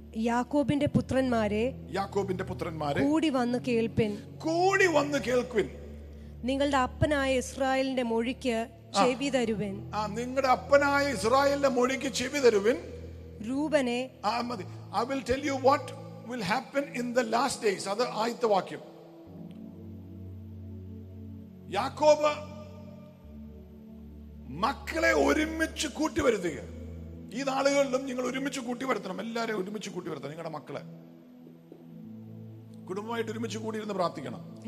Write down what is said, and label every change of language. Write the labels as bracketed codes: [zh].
[ml] യാക്കോബിന്റെ പുത്രന്മാരെ, കൂടി വന്ന് കേൾപ്പിൻ, കൂടി വന്ന് കേൾക്കുവിൻ. നിങ്ങളുടെ അപ്പനായ ഇസ്രായേലിന്റെ മൊഴിക്ക് ചെവി തരുവിൻ. നിങ്ങളുടെ അപ്പനായ ഇസ്രായേലിന്റെ മൊഴിക്ക് ചെവി തരുവിൻ. രൂബനെ, [en] I will tell you what will happen in the last days. [ml] അത് ആദ്യത്തെ വാക്യം. യാക്കോബ് മക്കളെ ഒരുമിച്ച് കൂട്ടി വരുത്തുക. ഈ നാളുകളിലും നിങ്ങൾ ഒരുമിച്ച് കൂട്ടി വരുത്തണം, എല്ലാവരെയും ഒരുമിച്ച് കൂട്ടി വരുത്തണം. നിങ്ങളുടെ മക്കളെ കുടുംബമായിട്ട് ഒരുമിച്ച് കൂടിയിരുന്ന് പ്രാർത്ഥിക്കണം.